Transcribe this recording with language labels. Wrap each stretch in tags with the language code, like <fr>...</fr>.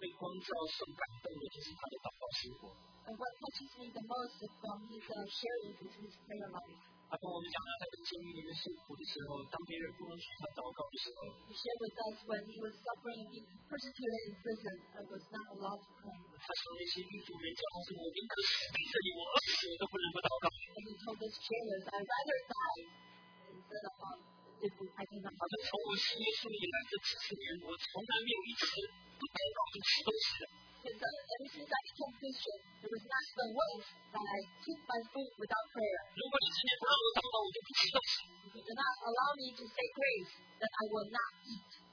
<en>And what touches me the most is from his sharing is his prayer life.</en> <zh>他跟我们讲，他跟监狱里面受苦的时候，当别人不允许他祷告的时候，He</zh> <en>shared with us when he was suffering, being persecuted in prison, and was not allowed to pray.</en> <zh>他说那些狱卒们讲，我宁可死在这里，我饿死都不能不祷告。And</zh> <en>he told his jailers, I'd rather die instead of if I do not pray.</en> <zh>他说，从我信耶稣以来这几十年，我从来没有一次不祷告不吃东西的。Because</zh> <en>ever since I became Christian, there was not even once that I took my food without prayer. If you do not allow me to say grace, then I will not eat.</en>